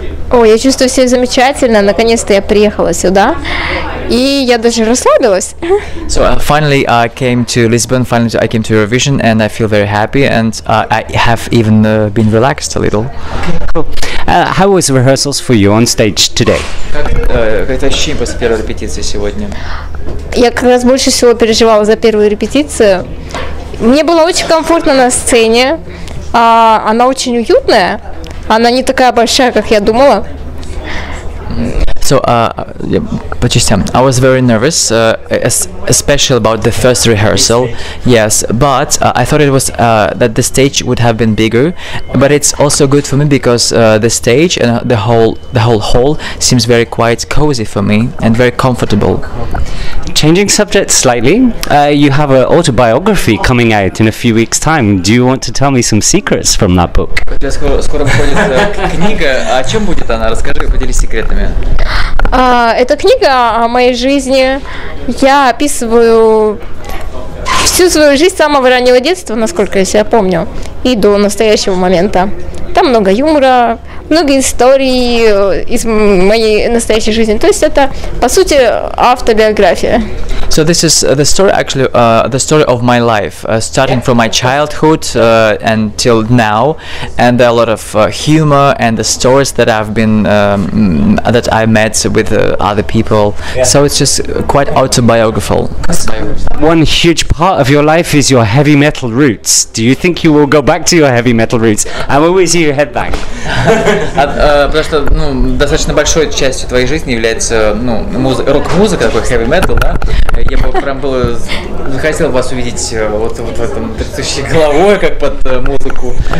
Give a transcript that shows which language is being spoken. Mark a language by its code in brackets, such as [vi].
[ru] Ой, я чувствую себя замечательно. Наконец-то я приехала сюда. И я даже расслабилась. [en] So finally I came to Lisbon, finally I came to Eurovision and I feel very happy and I have even been relaxed a little. Cool. How was rehearsals for you on stage today? [ru] Как ощущение после первой репетиции сегодня? Я как раз больше всего переживала за первую репетицию. Мне было очень комфортно на сцене. Она очень уютная. Она не такая большая, как я думала. So, по частям. [en] I was very nervous, especially about the first rehearsal. Yes, but I thought it was that the stage would have been bigger. But it's also good for me because the stage and the whole hall seems very quiet, cozy for me and very comfortable. Changing subject slightly, you have an autobiography coming out in a few weeks' time. Do you want to tell me some secrets from that book? [ru] Скоро выходит книга. О чем будет она? Расскажи, поделись секретами. Это книга о моей жизни. Я описываю всю свою жизнь с самого раннего детства, насколько я себя помню, и до настоящего момента. Там много юмора, много историй из моей настоящей жизни. То есть это, по сути, автобиография. [en] So this is the story, actually, the story of my life, starting from my childhood until now, and a lot of humor and the stories that I've been that I met with other people. Yeah. So it's just quite autobiographical. One huge part of your life is your heavy metal roots. Do you think you will go back to your heavy metal roots? I'm always here. [ru] Потому что достаточно большой частью твоей жизни является рок-музыка, такой heavy metal, да? Я бы прям был хотел вас увидеть вот в этом трясущей головой, как под музыку.